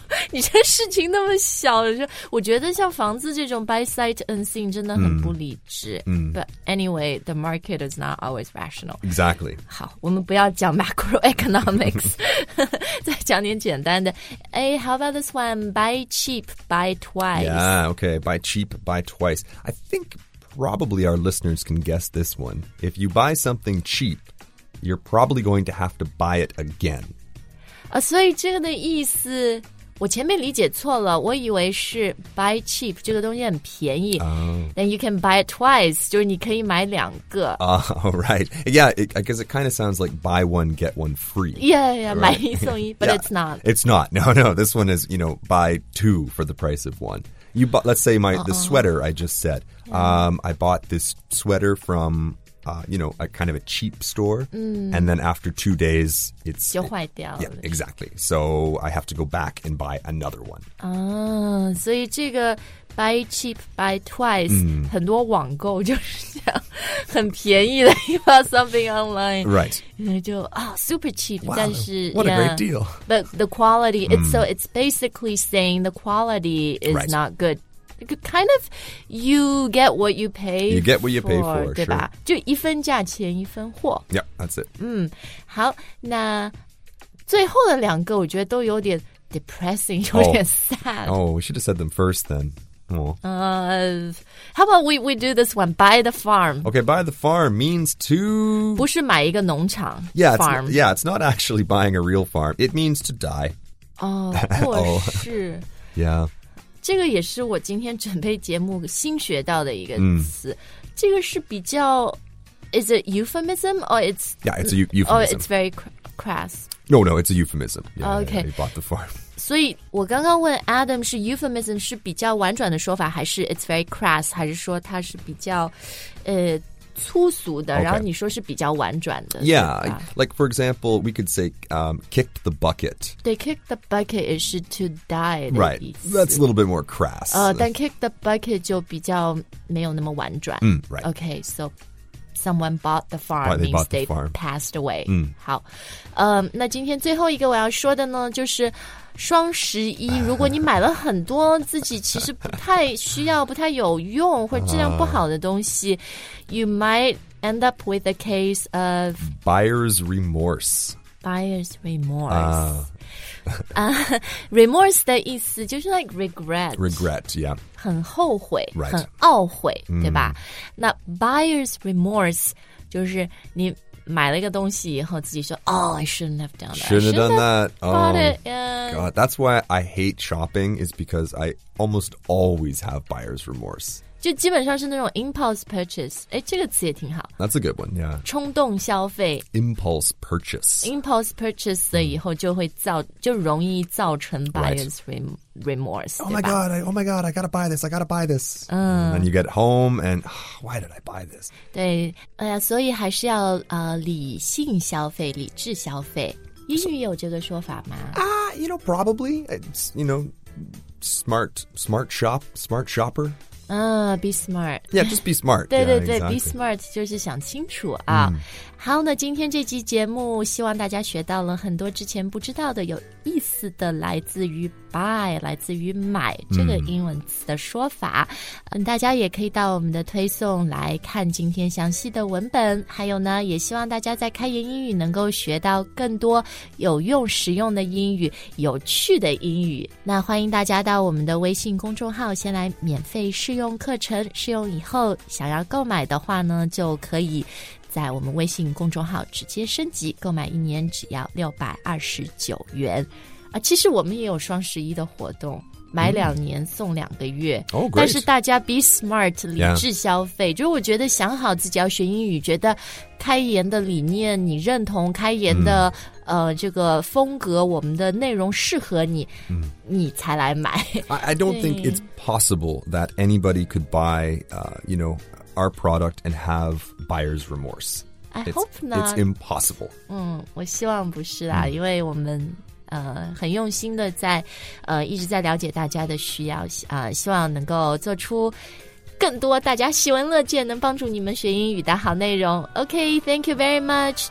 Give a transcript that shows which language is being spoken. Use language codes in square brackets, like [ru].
[zh] 你这事情那么小，我觉得像房子这种 buy sight unseen 真的很不理智。 [en] But anyway, the market is not always rational. Exactly. [zh] 好，我们不要讲 macroeconomics， 再讲点简单的。 [en] 哎 ，How about this one? Buy cheap, buy twice. Yeah, okay. Buy cheap, buy twice. I think probably our listeners can guess this one. If you buy something cheap, you're probably going to have to buy it again. [zh] 所以这个的意思。我前面理解错了，我以为是 buy cheap 这个东西很便宜。 [en] Then you can buy it twice, [zh] 就是你可以买两个。 [en] Right. Yeah, I guess it kind of sounds like buy one, get one free. Yeah, right? [zh] 买一送一 [en] but yeah, it's not. It's not. No, this one is, you know, buy two for the price of one. You bought, let's say, the sweater I just said. I bought this sweater from you know, a kind of a cheap store. And then after 2 days, it's... [zh] 就坏掉了。 [en] Yeah, exactly. So I have to go back and buy another one. [zh] 啊，所以这个 buy cheap, buy twice, 很多网购就是这样，很便宜的， [en] you buy something online. Right. [zh] 就啊 [en] super cheap, wow, [zh] 但是 [en] what a great deal. But the quality, so it's basically saying the quality is not good. Kind of, you get what you pay for. You get what you pay [zh] for, 对吧、 [en] sure. [zh] 就一分价钱一分货。 [en] Yeah, that's it. [zh] 好，那最后的两个我觉得都有点 depressing, 有点 sad. [en] Oh, we should have said them first then. How about we do this one? Buy the farm. Okay, buy the farm means to... [zh] 不是买一个农场 [en] yeah, farm. It's, yeah, it's not actually buying a real farm. It means to die. [zh] Oh, 或是。 [en] Yeah. [zh] 这个也是我今天准备节目新学到的一个词。这个是比较 ， [en] is it euphemism or it's yeah it's a euphemism or it's very crass? No, no, it's a euphemism. Yeah, okay, yeah, yeah, bought the farm. [zh] 所以我刚刚问 Adam 是 euphemism 是比较婉转的说法，还是 [en] it's very crass， [zh] 还是说它是比较粗俗的？ [en] Okay. [zh] 然后你说是比较婉转的。 [en] Yeah, like for example, we could say kicked the bucket. They kicked the bucket is to die. Right, that's a little bit more crass. [zh] 但 kick the bucket 就比较没有那么婉转。 [en] Right. Okay, so someone bought the farm means they, bought they the farm. Passed away. [zh] 好，那今天最后一个我要说的呢，就是双十一，如果你买了很多自己其实不太需要、不太有用或者质量不好的东西、 [en] you might end up with a case of buyer's remorse. Buyer's remorse. [zh] remorse 的意思就是 [en] like regret. Regret, yeah. [zh] 很后悔、 [en] right. [zh] 很懊悔、对吧？那 buyer's remorse 就是你买了一个东西以后自己说 [en] Oh, I shouldn't have done that. Shouldn't have done that. Bought oh, it, yeah. God, that's why I hate shopping is because I almost always have buyer's remorse. [zh] 就基本上是那种 impulse purchase. 诶，这个词也挺好。 [en] That's a good one, yeah. [zh] 冲动消费。 [en] Impulse purchase. [zh] Impulse purchase 的以后就会造、就容易造成 buyer's remorse. [en] Oh my God, I gotta buy this, And you get home and, why did I buy this? [zh] 对、所以还是要、理性消费、理智消费。英语有这个说法吗？ [en] You know, probably. It's, you know, smart shopper. Be smart. Yeah, just be smart. [zh] 对对对、 [en] yeah, exactly. [zh] ，be smart 就是想清楚啊。好，那今天这期节目，希望大家学到了很多之前不知道的有意思的来自于 buy， 来自于买这个英文词的说法。大家也可以到我们的推送来看今天详细的文本。还有呢，也希望大家在开言英语能够学到更多有用、实用的英语、有趣的英语。那欢迎大家到我们的微信公众号先来免费试用课程，试用以后想要购买的话呢，就可以在我们微信公众号直接升级，购买一年只要629元。其实我们也有双十一的活动，买两年送两个月。但是大家 be smart， 理智消费、就是我觉得想好自己要学英语，觉得开言的理念你认同，开言的、这个风格我们的内容适合你、你才来买。 [en] I don't think it's possible that anybody could buy you know our product and have buyer's remorse. Hope not. It's impossible. [zh] 我希望不是啦、因为我们很用心的在一直在了解大家的需要，希望能够做出更多大家喜闻乐见能帮助你们学英语的好内容。 [en] OK, thank you very much.